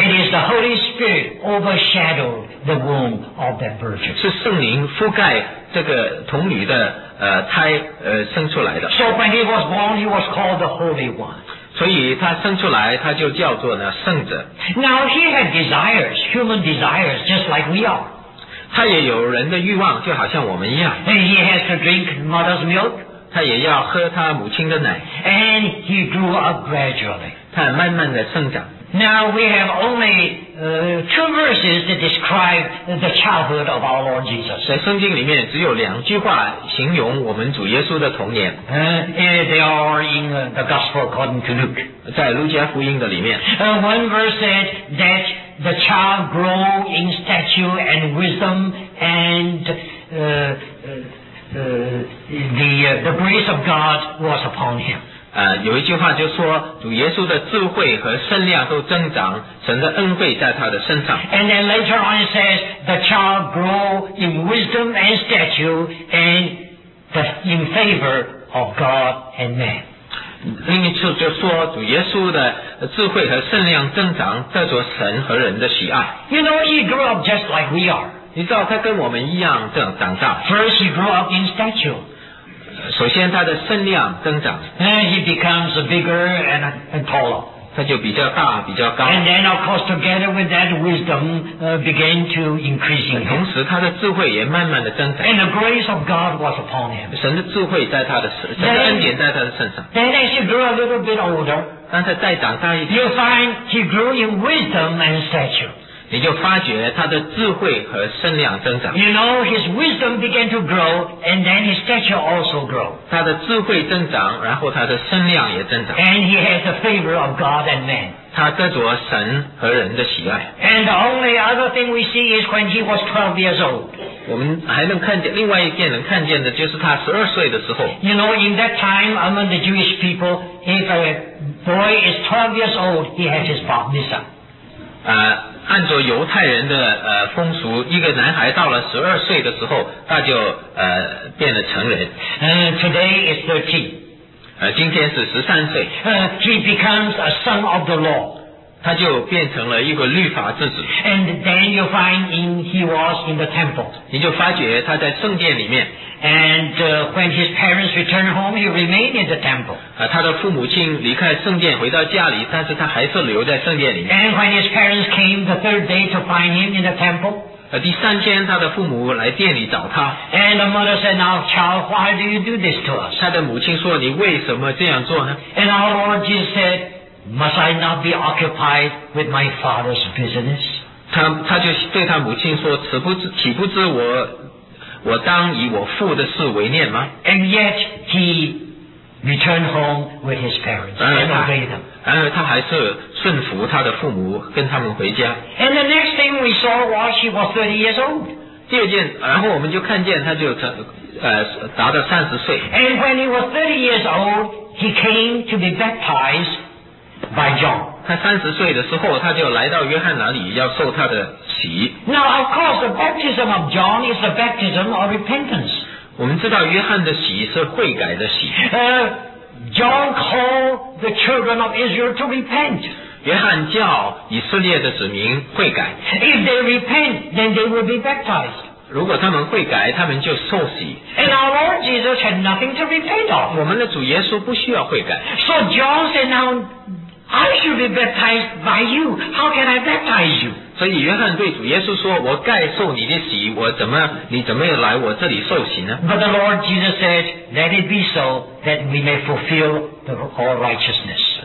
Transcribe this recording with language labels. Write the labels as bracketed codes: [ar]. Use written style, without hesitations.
[en] It is the Holy Spirit overshadowed the womb of that virgin. [zh] 是圣灵覆盖这个童女的胎生出来的。 [en] So when he was born, he was called the Holy One. [zh] 所以他生出来他就叫做呢圣者。 [en] Now he had desires, human desires, just like we are. [zh] 他也有人的欲望，就好像我们一样。 [en] And he has to drink mother's milk. [zh] 他也要喝他母亲的奶。 [en] And he grew up gradually. [zh] 他慢慢的生长。 [en] Now we have only two verses that describe the childhood of our Lord Jesus. [zh] 在圣经里面只有两句话形容我们主耶稣的童年。 [en] They are in the Gospel according to Luke. [zh] 在路加福音的里面。 [en] One verse said that the child grew in stature and wisdom and the grace of God was upon him. [zh] 有一句话就说主耶稣的智慧和圣量都增长，神的恩惠在他的身上。 [en] And then later on it says the child grew in wisdom and stature and in favor of God and man. [zh] 另一处就说主耶稣的智慧和圣量增长，得着神和人的喜爱。 [en] You know he grew up just like we are. [zh] 你知道他跟我们一样这样长大。 [en] First he grew up in stature. [zh] 首先他的身量增长。 [en] Then he becomes bigger and taller. [zh] 他就比较大比较高。 [en] And then of course together with that wisdom began to increase in him. [zh] 同时他的智慧也慢慢的增长。 [en] And the grace of God was upon him. [zh] 神的智慧在他的神的恩典在他的身上。 [en] Then as he grew a little bit older, [zh] 当他再长大一点， [en] you'll find he grew in wisdom and stature. [zh] 你就发觉他的智慧和身量增长。 [en] You know, his wisdom began to grow, and then his stature also grew. [zh] 他的智慧增长，然后他的身量也增长。 [en] And he has the favor of God and man. [zh] 他得着神和人的喜爱。 [en] And the only other thing we see is when he was 12 years old. [zh] 我们还能看见，另外一件能看见的就是他12岁的时候。 [en] You know, in that time among the Jewish people, if a boy is 12 years old, he has his bar mitzvah. [zh] 按照犹太人的风俗，一个男孩到了12岁的时候，他就变了成人。 [en] Today is 13. [zh] 今天是13岁。 [en] He becomes a son of the law. [zh] 他就变成了一个律法之子。 [en] And then you find him, he was in the temple. [zh] 你就发觉他在圣殿里面。 [en] And when his parents returned home, he remained in the temple. [zh] 他的父母亲离开圣殿回到家里，但是他还是留在圣殿里面。 [en] And when his parents came the third day to find him in the temple, [zh] 第三天他的父母来店里找他。 [en] And the mother said, "Now, child, why do you do this to us?" [zh] 他的母亲说，你为什么这样做呢？ [en] And our Lord Jesus said, "Must I not be occupied with my father's business?" [zh] 他就对他母亲说，岂不知我。我当以我父的事为念吗？ [en] And yet he returned home with his parents and obeyed them. [zh] 然而他还是顺服他的父母，跟他们回家。 [en] And the next thing we saw was he was 30 years old. [zh] 第二件，然后我们就看见他就达到30岁。 [en] And when he was 30 years old, he came to be baptized by John. [zh] 他30岁的时候，他就来到约翰那里要受他的。 [en] Now, of course, the baptism of John is the baptism of repentance. [zh] 我们知道约翰的洗是悔改的洗。 [en] John called the children of Israel to repent. [zh] 约翰叫以色列的子民悔改。 [en] If they repent, then they will be baptized. [zh] 如果他们悔改，他们就受洗。 [en] And our Lord Jesus had nothing to repent of. [zh] 我们的主耶稣不需要悔改。 [en] So John said, "Now, I should be baptized by you. How can I baptize you?" [zh] 所以约翰对主耶稣说，我该受你的洗，我怎么，你怎么来我这里受洗呢？ [en] But the Lord Jesus said, "Let it be so that we may fulfill the all righteousness."